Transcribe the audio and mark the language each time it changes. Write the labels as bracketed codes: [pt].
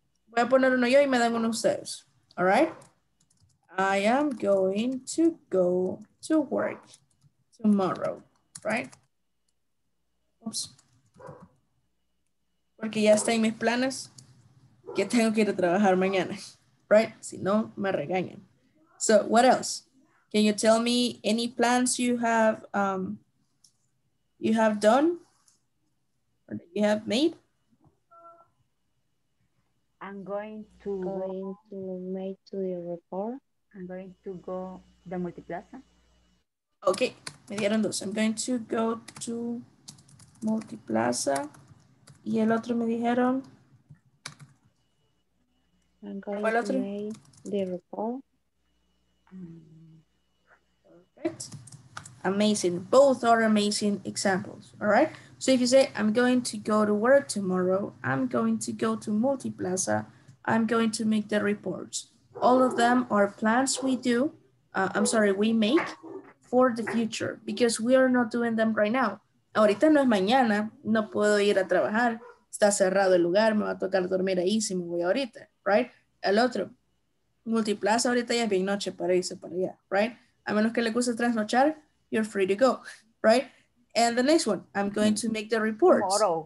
[es] Voy a poner uno yo y me dan uno ustedes, [en] all right? I am going to go to work tomorrow, right? Oops. [es] Porque ya está en mis planes que tengo que ir a trabajar mañana, right? Si no, me regañan. [en] So, what else? Can you tell me any plans you have done or that you have made? I'm going to make the report. I'm going to go to the Multiplaza. Okay, [es] me dieron dos. [en] I'm going to go to Multiplaza. [es] Y el otro me dijeron. [en] I'm going to make the report. Amazing. Both are amazing examples. All right. So if you say, I'm going to go to work tomorrow, I'm going to go to Multiplaza, I'm going to make the reports. All of them are plans we do, we make for the future because we are not doing them right now. [es] Ahorita no es mañana, no puedo ir a trabajar, está cerrado el lugar, me va a tocar dormir ahí si me voy ahorita, right? El otro, Multiplaza, ahorita ya es bien noche para irse para allá, right? A menos que le guste trasnochar, [en] you're free to go, right? And the next one, I'm going to make the reports.